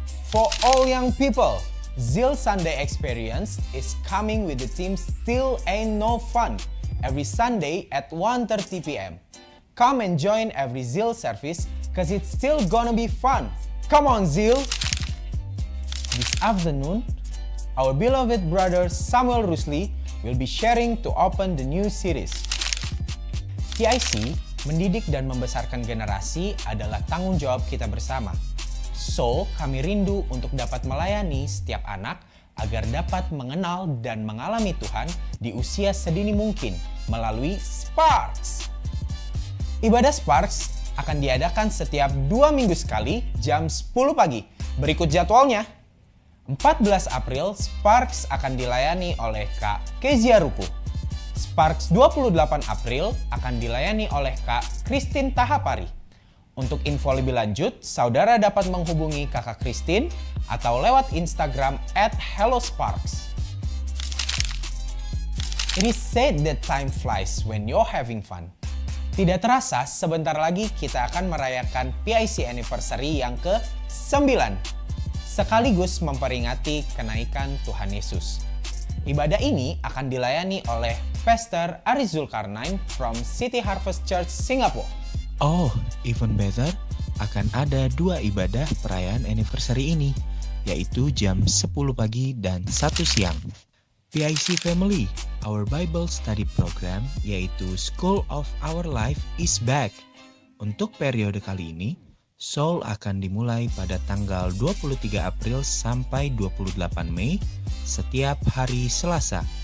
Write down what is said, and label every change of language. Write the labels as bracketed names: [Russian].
[English] For all young people, Zeal Sunday Experience is coming with the theme Still Ain't No Fun every Sunday at 1:30 p.m. Come and join every Zeal service because it's still gonna be fun. Come on, Zeal! This afternoon, our beloved brother Samuel Rusli will be sharing to open the new series. [Indonesian] PIC, mendidik dan membesarkan generasi adalah tanggung jawab kita bersama. So, kami rindu untuk dapat melayani setiap anak agar dapat mengenal dan mengalami Tuhan di usia sedini mungkin melalui Sparks. Ibadah Sparks akan diadakan setiap 2 minggu sekali jam 10 pagi. Berikut jadwalnya. 14 April, Sparks akan dilayani oleh Kak Kezia Ruku. Sparks 28 April akan dilayani oleh Kak Christine Tahapari. Untuk info lebih lanjut, saudara dapat menghubungi Kakak Christine atau lewat Instagram @hellosparks. [English] It is said that time flies when you're having fun. [Indonesian] Tidak terasa, sebentar lagi kita akan merayakan PIC Anniversary yang ke-9. Sekaligus memperingati kenaikan Tuhan Yesus. Ibadah ini akan dilayani oleh Pastor Ari Zulkarnain from City Harvest Church, Singapore. [English] Oh, even better, [Indonesian] akan ada 2 ibadah perayaan anniversary ini, yaitu jam 10 pagi dan 1 siang. [English] PIC Family, our Bible study program, [Indonesian] yaitu [English] School of Our Life is back. [Indonesian] Untuk periode kali ini, Seoul akan dimulai pada tanggal 23 April sampai 28 Mei setiap hari Selasa.